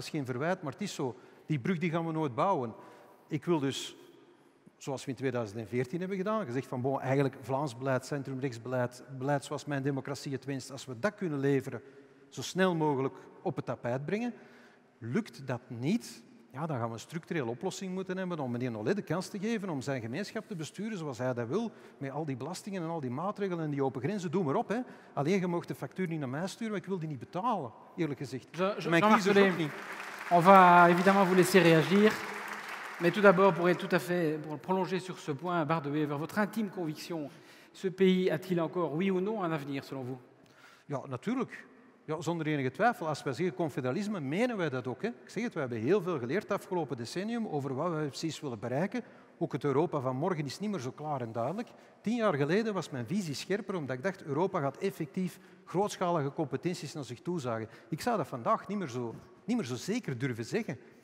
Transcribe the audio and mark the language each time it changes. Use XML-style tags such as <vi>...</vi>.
<nl>Dat is geen verwijt, maar het is zo. Die brug die gaan we nooit bouwen. Ik wil dus, zoals we in 2014 hebben gedaan, gezegd van bon, eigenlijk Vlaams beleid, centrumrechtsbeleid, beleid zoals mijn democratie het wenst, als we dat kunnen leveren, zo snel mogelijk op het tapijt brengen. Lukt dat niet, ja, dan gaan we een structurele oplossing moeten hebben om meneer Nollet de kans te geven om zijn gemeenschap te besturen zoals hij dat wil, met al die belastingen en al die maatregelen en die open grenzen. Doe maar op, hè. Alleen, je mag de factuur niet naar mij sturen, want ik wil die niet betalen, eerlijk gezegd. Mijn kiezer ook niet.</nl> <fr>On va évidemment vous laisser réagir. Mais tout d'abord, pour être tout à fait pour prolonger sur ce point, Bart De Wever, votre intime conviction, ce pays a-t-il encore, oui ou non, un avenir, selon vous?</fr> <nl>Ja, natuurlijk. Ja, zonder enige twijfel. Als wij zeggen confederalisme, menen wij dat ook. Hè? Ik zeg het, we hebben heel veel geleerd afgelopen decennium over wat we precies willen bereiken. Ook het Europa van morgen is niet meer zo klaar en duidelijk. 10 jaar geleden was mijn visie scherper, omdat ik dacht, Europa gaat effectief grootschalige competenties naar zich toezagen. Ik zou dat vandaag niet meer zo zeker durven zeggen.</nl>